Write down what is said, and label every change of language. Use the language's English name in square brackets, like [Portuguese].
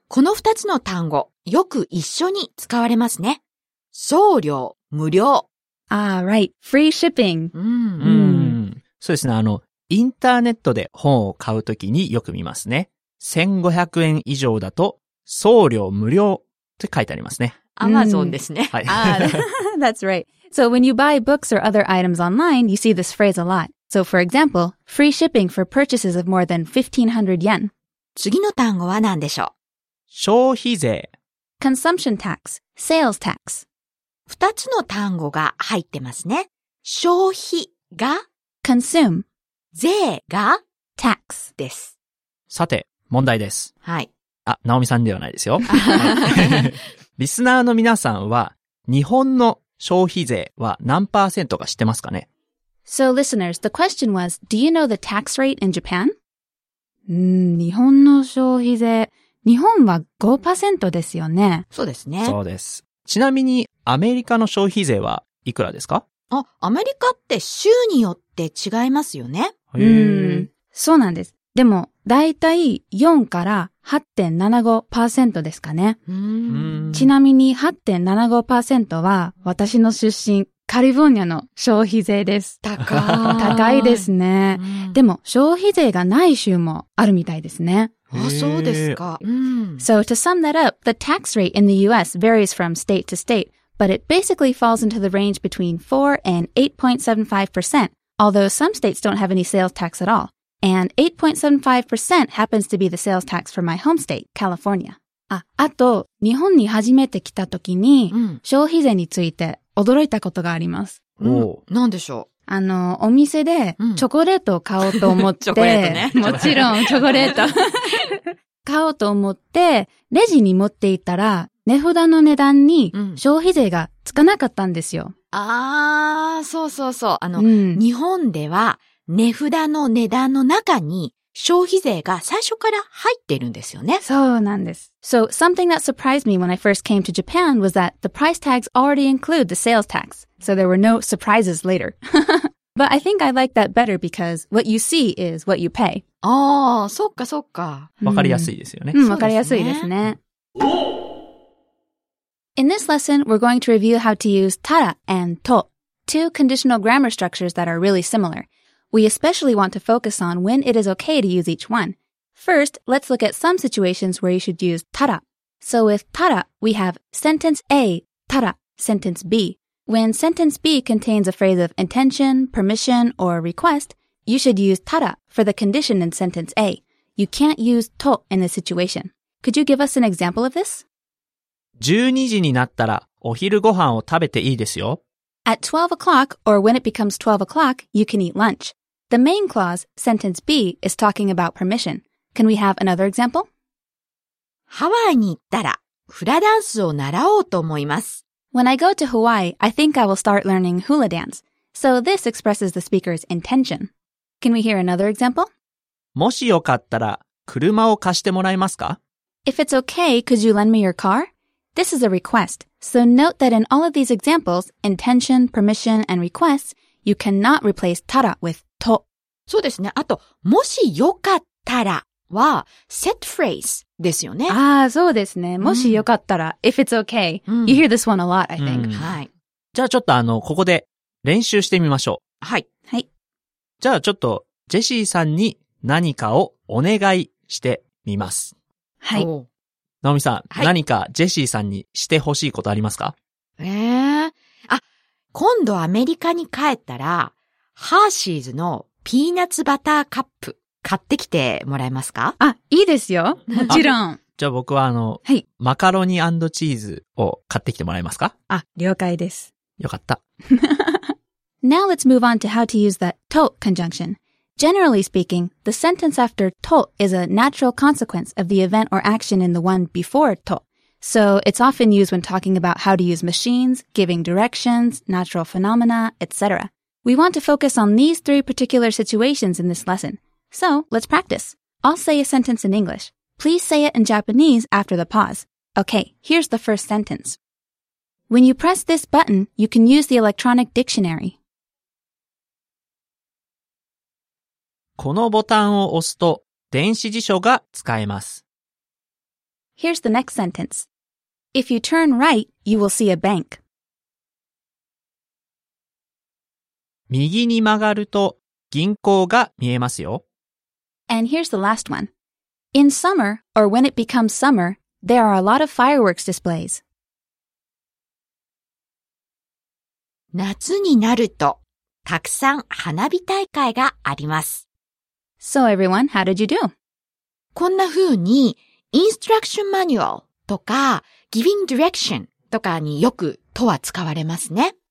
[Japanese] この二つの単語よく一緒に使われますね。送料無料 [English] Ah, right, free shipping. [Japanese] そうですね。インターネットで本を買うときによく見ますね。1500円以上だと送料無料って書いてありますね。 Amazon ですね。はい。 [English] That's right. So when you buy books or other items online, you see this phrase a lot. So for example, free shipping for purchases of more than 1500 yen. [Japanese] 次の単語は何でしょう? 消費税。 [English] Consumption tax, sales tax. [Japanese] 二つの単語が入ってますね。消費が [English] consume。 [Japanese] 税が [English] tax [Japanese] です。さて、問題です。はい。あ、ナオミさんではないですよ。リスナーの皆さんは、日本の消費税は何パーセントか知ってますかね? [English] So listeners, the question was, do you know the tax rate in Japan? [Japanese] 日本の消費税、日本は 5% ですよね。そうですね。そうです。ちなみに、アメリカの消費税はいくらですか? あ、アメリカって州によって違いますよね。そうなんです。でも、だいたい4から8.75% ですかね。ちなみに 8.75% は私の出身、カリフォルニアの消費税です。高い。高いですね。でも、消費税がない州もあるみたいですね。あ、そうですか。 [English] So to sum that up, the tax rate in the US varies from state to state, but it basically falls into the range between 4% and 8.75%, although some states don't have any sales tax at all. And 8.75% happens to be the sales tax for my home state, California. [Japanese] あと、日本に初めて来た時に、消費税について驚いたことがあります。何でしょう? お店でチョコレートを買おうと思って、チョコレートね。もちろん、チョコレート。買おうと思って、レジに持っていたら、値札の値段に消費税がつかなかったんですよ。そうそうそう。日本では、値札の値段の中に消費税が最初から入ってるんですよね。そうなんです。 [English] So, something that surprised me when I first came to Japan was that the price tags already include the sales tax. So there were no surprises later. But I think I like that better because what you see is what you pay. [Japanese] ああ、そっかそっか。わかりやすいですよね。わかりやすいですね。 [English] In this lesson, we're going to review how to use tara and to, two conditional grammar structures that are really similar. We especially want to focus on when it is okay to use each one. First, let's look at some situations where you should use tara. So with tara, we have sentence A, tara, sentence B. When sentence B contains a phrase of intention, permission, or request, you should use tara for the condition in sentence A. You can't use to in this situation. Could you give us an example of this? [Japanese] 12時になったらお昼ご飯を食べていいですよ。 [English] At 12 o'clock, or when it becomes 12 o'clock, you can eat lunch. The main clause, sentence B, is talking about permission. Can we have another example? [Japanese] ハワイに行ったらフラダンスを習おうと思います。 [English] When I go to Hawaii, I think I will start learning hula dance. So this expresses the speaker's intention. Can we hear another example? [Japanese] もしよかったら車を貸してもらえますか? [English] If it's okay, could you lend me your car? This is a request, so note that in all of these examples, intention, permission, and requests, you cannot replace tara with to. [Japanese] そうですね。あと、もしよかったらは [English] set phrase [Japanese] ですよね。ああ、そうですね。もしよかったら、 [English] if it's okay. You hear this one a lot, I think. [Japanese] はい。じゃあちょっとここで練習してみましょう。はい。はい。じゃあちょっと、ジェシーさんに何かをお願いしてみます。はい。ナオミさん、はい、何かジェシーさんにしてほしいことありますか? 今度アメリカに帰ったら、ハーシーズのピーナッツバターカップ買ってきてもらえますか? いいですよ。もちろん。じゃあ僕ははい、マカロニ&チーズを買ってきてもらえますか? 了解です。よかった。 [English] Now let's move on to how to use the to conjunction. Generally speaking, the sentence after to is a natural consequence of the event or action in the one before to. So it's often used when talking about how to use machines, giving directions, natural phenomena, etc. We want to focus on these three particular situations in this lesson. So let's practice. I'll say a sentence in English. Please say it in Japanese after the pause. Okay, here's the first sentence. When you press this button, you can use the electronic dictionary. [Japanese] このボタンを押すと電子辞書が使えます。 [English] Here's the next sentence. If you turn right, you will see a bank. [Japanese] 右に曲がると銀行が見えますよ。 [English] And here's the last one. In summer, or when it becomes summer, there are a lot of fireworks displays. [Japanese] 夏になるとたくさん花火大会があります。 [English] So everyone, how did you do? [Japanese] こんな風に、 [English] instruction manual [Japanese] とか、 [English] giving direction [Japanese] とかによくとは使われますね。